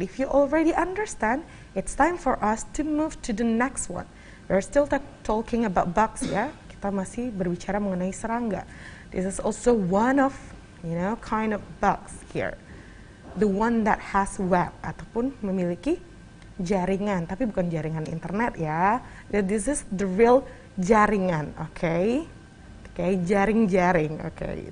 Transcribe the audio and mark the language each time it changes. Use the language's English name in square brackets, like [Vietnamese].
[English] If you already understand, it's time for us to move to the next one. We're still talking about bugs, ya. [Indonesian] Kita masih berbicara mengenai serangga. [English] This is also one of, you know, kind of bugs here. The one that has web [Indonesian] ataupun memiliki jaringan, tapi bukan jaringan internet ya. [English] This is the real jaringan, okay? Okay, jaring-jaring, okay.